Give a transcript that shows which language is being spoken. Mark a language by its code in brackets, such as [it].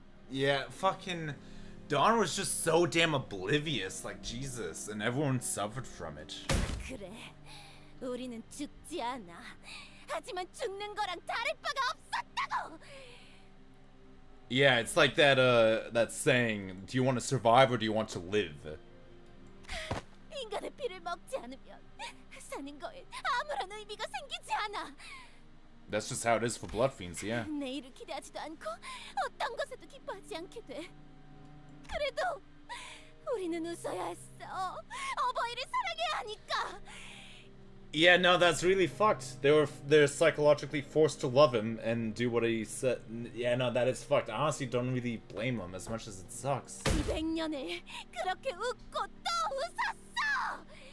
[en] Yeah, fucking Don was just so damn oblivious, like Jesus, and everyone suffered from it. [ko] 그래, 우리는 죽지 않아. 하지만 죽는 거랑 다를 바가 없었다고. [en] Yeah, it's like that that saying. Do you want to survive or do you want to live? [ko] 인간의 피를 먹지 않으면. 사는 거에 아무런 의미가 생기지 않아. [en] That's just how it is for blood fiends, yeah. [ko] 내일을 기대하지도 않고 어떤 것에도 기뻐하지 않게 돼. 그래도 우리는 웃어야 했어. 어버이를 사랑해야 하니까. [en] Yeah, no, that's really fucked. They're psychologically forced to love him and do what he said. Yeah, no, that is fucked. I honestly don't really blame him as much as it sucks. [ko] 200년에 그렇게 웃고 또 웃었어.